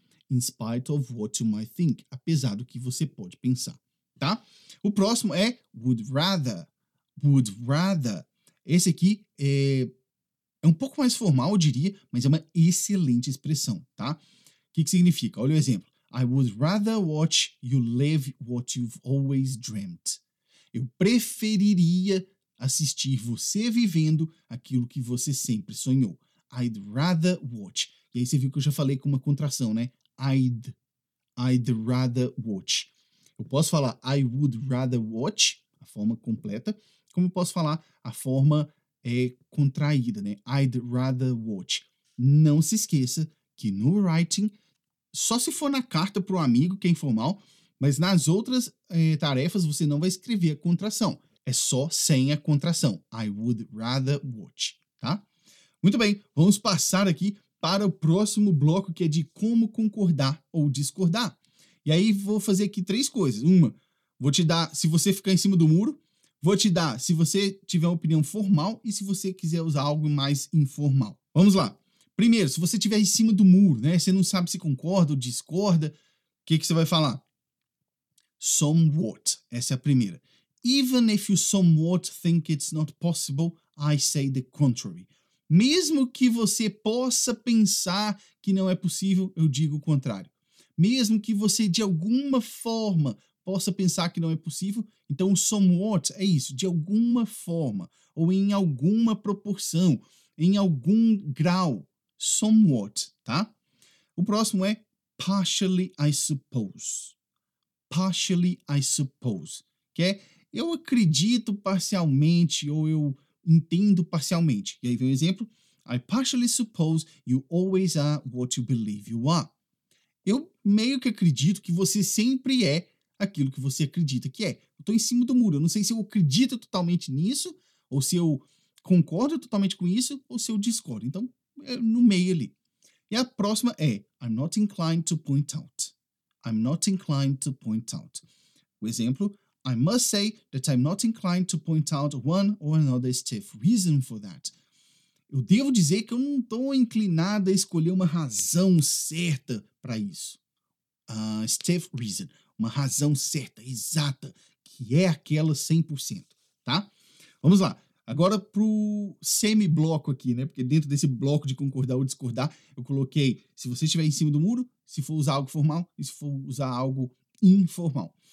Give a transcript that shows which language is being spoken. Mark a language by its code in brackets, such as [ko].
[en] In spite of what you might think, [pt] apesar do que você pode pensar, tá? O próximo é would rather. Esse aqui é um pouco mais formal, eu diria, mas é uma excelente expressão, tá? O que significa? Olha o exemplo. [en] I would rather watch you live what you've always dreamt. [pt] Eu preferiria assistir você vivendo aquilo que você sempre sonhou. [en] I'd rather watch. [pt] E aí você viu que eu já falei com uma contração, né? [en] I'd rather watch. [pt] Eu posso falar [en] I would rather watch, [pt] a forma completa, como eu posso falar a forma contraída, né? [en] I'd rather watch. [pt] Não se esqueça que no writing, só se for na carta para um amigo, que é informal, mas nas outras tarefas você não vai escrever a contração. É só sem a contração. [en] I would rather watch, [pt] tá? Muito bem, vamos passar aqui para o próximo bloco, que é de como concordar ou discordar. E aí vou fazer aqui três coisas. Uma, vou te dar se você ficar em cima do muro, vou te dar se você tiver uma opinião formal e se você quiser usar algo mais informal. Vamos lá. Primeiro, se você estiver em cima do muro, né? Você não sabe se concorda ou discorda, o que você vai falar? Somewhat. Essa é a primeira. [en] Even if you somewhat think it's not possible, I say the contrary. [pt] Mesmo que você possa pensar que não é possível, eu digo o contrário. Mesmo que você, de alguma forma, possa pensar que não é possível, então somewhat é isso, de alguma forma, ou em alguma proporção, em algum grau, somewhat, tá? O próximo é [en] partially, I suppose. Partially, I suppose. [pt] Que é eu acredito parcialmente ou eu entendo parcialmente. E aí vem um exemplo. [en] I partially suppose you always are what you believe you are. [pt] Eu meio que acredito que você sempre é aquilo que você acredita que é. Eu estou em cima do muro, eu não sei se eu acredito totalmente nisso, ou se eu concordo totalmente com isso, ou se eu discordo. Então, é no meio ali. E a próxima é, [en] I'm not inclined to point out. I'm not inclined to point out. [pt] O exemplo, [en] I must say that I'm not inclined to point out one or another stiff reason for that. [pt] Eu devo dizer que eu não estou inclinado a escolher uma razão certa para isso. [en] Stiff reason. [pt] Uma razão certa, exata, que é aquela 100%, tá? Vamos lá. Agora para o semi-bloco aqui, né? Porque dentro desse bloco de concordar ou discordar, eu coloquei se você estiver em cima do muro, se for usar algo formal e se for usar algo informal.